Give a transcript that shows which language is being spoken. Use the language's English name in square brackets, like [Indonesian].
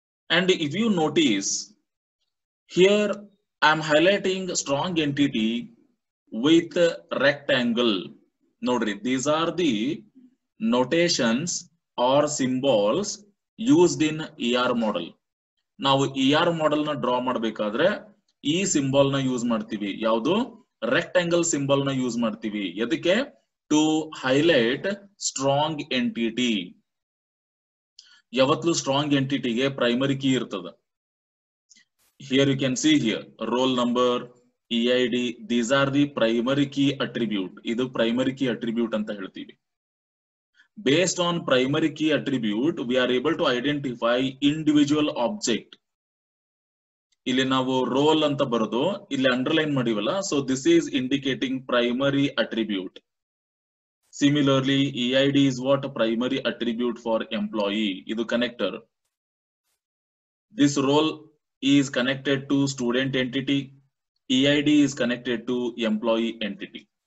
[English] And if you notice, here I'm highlighting strong entity with rectangle. Notice these are the notations or symbols used in ER model. [Kannada] ನಾವು E R model ನ draw ಮಾಡಬೇಕಾದ್ರೆ ಈ symbol ನ use ಮಾಡ್ತೀವಿ. ಯಾವುದು? Rectangle symbol ನ use ಮಾಡ್ತೀವಿ. ಎದಕ್ಕೆ? [English] To highlight strong entity. [Kannada] ಯಾವತ್ತು ಸ್ಟ್ರಾಂಗ್ ಎಂಟಿಟಿಗೆ ಪ್ರೈಮರಿ ಕೀ ಇರ್ತದೆ? [English] Here you can see, here roll number, E I D, these are the primary key attribute. [Kannada] ಇದು ಪ್ರೈಮರಿ ಕೀ ಅಟ್ರಿಬ್ಯೂಟ್ ಅಂತ ಹೇಳ್ತೀವಿ. [English] Based on primary key attribute, we are able to identify individual object. [Kannada] ಇಲ್ಲಿ ನಾವು roll ಅಂತ ಬರೆದು ಇಲ್ಲಿ underline ಮಾಡಿವಲ್ಲ, [English] So this is indicating primary attribute. Similarly E I D is what primary attribute for employee. [Kannada] ಇದು connector. [English] This role is connected to student entity, E I D is connected to employee entity.